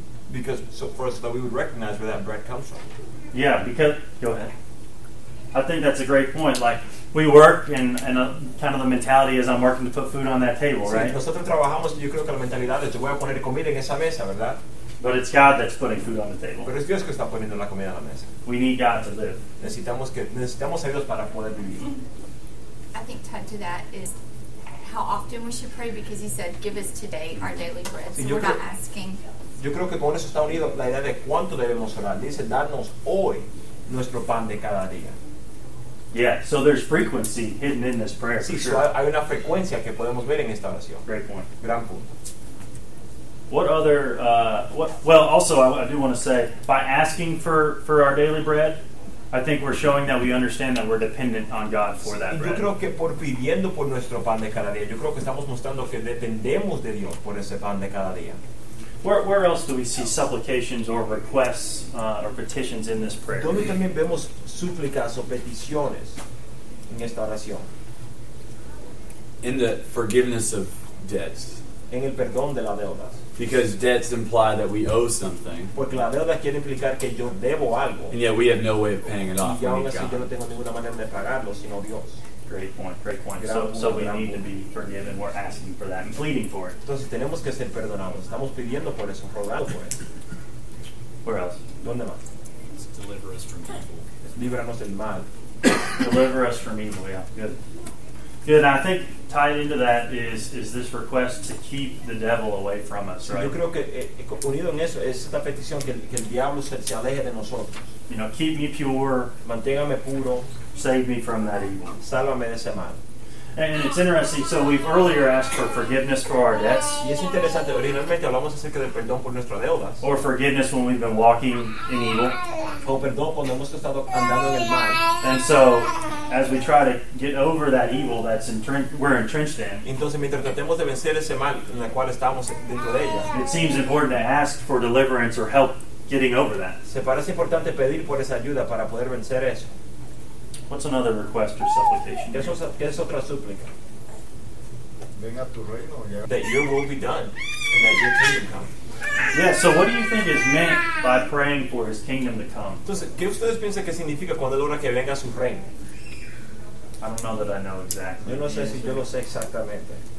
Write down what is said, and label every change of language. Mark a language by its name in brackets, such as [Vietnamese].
[English] Because so for us that we would recognize where that bread comes from. Yeah, because go ahead. I think that's a great point. Like we work and kind of the mentality is I'm working to put food on that table, [Spanish] sí, [English] right? [Spanish] Nosotros trabajamos, yo creo que la mentalidad es yo voy a poner comida en esa mesa, ¿verdad? [English] But it's God that's putting food on the table. [Spanish] Pero es Dios que está poniendo la comida en la mesa. [English] We need God to live. [Spanish] Necesitamos a Dios para poder vivir. [English] I think tied to that is how often we should pray because he said give us today our daily bread. [Spanish] Sí, [English] so we're not asking. [Spanish] Yo creo que con eso está unido la idea de cuánto debemos orar. Dice darnos hoy nuestro pan de cada día. [English] Yeah, so there's frequency hidden in this prayer. [Spanish] Sí, [English] sure. [Spanish] So hay una frecuencia que podemos ver en esta oración. [English] Great point. [Spanish] Gran punto. [English] What other? I do want to say, by asking for our daily bread, I think we're showing that we understand that we're dependent on God for that bread. [Spanish] Yo creo que por pidiendo por nuestro pan de cada día, yo creo que estamos mostrando que dependemos de Dios por ese pan de cada día. [English] Where else do we see supplications or requests or petitions in this prayer? [Spanish] ¿Dónde también vemos súplicas o peticiones en esta oración? [English] In the forgiveness of debts. [Spanish] En el perdón de las deudas. [English] Because debts imply that we owe something. [Spanish] Porque la deuda quiere implicar que yo debo algo. [English] And yet we have no way of paying it off. [Spanish] Y aún así yo no tengo ninguna manera de pagarlo, sino Dios. [English] Great point. So we need to be forgiven. We're asking for that and pleading for it. [Spanish] Entonces tenemos que ser perdonados. Estamos pidiendo por eso, rogando por eso. [English] Where else? [Spanish] ¿Dónde más? [English] Deliver us from evil. [Spanish] Líbranos del mal. [English] Deliver us from evil, yeah. Good. Good, and I think tied into that is this request to keep the devil away from us, right? [Spanish] Yo creo que unido en eso es esta petición que el diablo se aleje de nosotros. [English] You know, keep me pure. [Spanish] Manténgame puro. [English] Save me from that evil. [Spanish] Sálvame de ese mal. [English] And it's interesting, so we've earlier asked for forgiveness for our debts. [Spanish] Y es interesante, originalmente hablamos acerca del perdón por nuestras deudas. [English] Or forgiveness when we've been walking in evil. [Spanish] O perdón cuando hemos estado andando en el mal. [English] And so, as we try to get over that evil that's we're entrenched in. [Spanish] Entonces, mientras tratemos de vencer ese mal en el cual estamos dentro de ella. [English] It seems important to ask for deliverance or help getting over that. [Spanish] Se parece importante pedir por esa ayuda para poder vencer eso. [English] What's another request or supplication? [Spanish] ¿Qué es otra súplica? Venga tu reino, ya. [English] That your will be done and that your kingdom come. Yeah, so what do you think is meant by praying for his kingdom to come? [Spanish] Entonces, ¿qué ustedes piensan que significa cuando él ora que venga su reino? [English] I don't know that I know exactly. [Spanish] Yo no sé si yo lo sé exactamente.